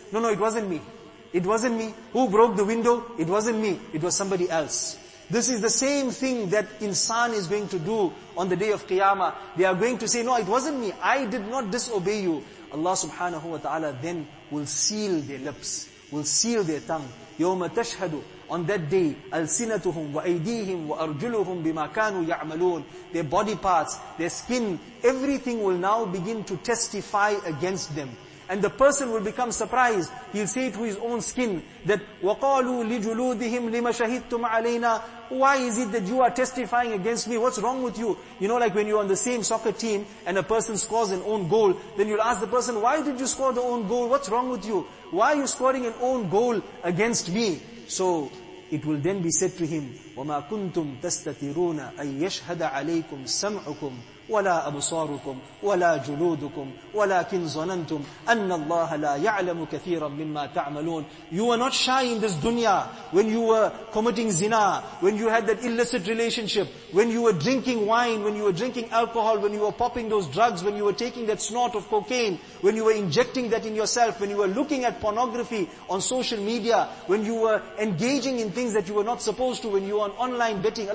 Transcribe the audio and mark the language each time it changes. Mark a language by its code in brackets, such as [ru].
[en] No, it wasn't me. It wasn't me. Who broke the window? It wasn't me. It was somebody else. This is the same thing that insan is going to do on the day of Qiyamah. They are going to say, no, it wasn't me. I did not disobey you. Allah subhanahu wa ta'ala then will seal their lips, will seal their tongue. [ar] يَوْمَ تَشْهَدُ. [en] On that day, [ar] أَلْسِنَتُهُمْ وَأَيْدِيهِمْ وَأَرْجُلُهُمْ بِمَا كَانُوا يَعْمَلُونَ. [en] Their body parts, their skin, everything will now begin to testify against them. And the person will become surprised. He'll say to his own skin that, [ar] وَقَالُوا لِجُلُودِهِمْ لِمَ شَهِدْتُمْ عَلَيْنَا. [en] Why is it that you are testifying against me? What's wrong with you? You know, like when you're on the same soccer team and a person scores an own goal, then you'll ask the person, why did you score the own goal? What's wrong with you? Why are you scoring an own goal against me? So it will then be said to him, [ar] وَمَا كُنْتُمْ تَسْتَتِرُونَ أَن يَشْهَدَ عَلَيْكُمْ سَمْعُكُمْ وَلَا أَبْصَارُكُمْ وَلَا جُلُودُكُمْ وَلَاكِنْ ظَنَنْتُمْ أَنَّ اللَّهَ لَا يَعْلَمُ كَثِيرًا مِمَّا تَعْمَلُونَ. [en] You were not shy in this dunya when you were committing zina, when you had that illicit relationship, when you were drinking wine, when you were drinking alcohol, when you were popping those drugs, when you were taking that snort of cocaine, when you were injecting that in yourself, when you were looking at pornography on social media, when you were engaging in things that you were not supposed to, when you were on online betting.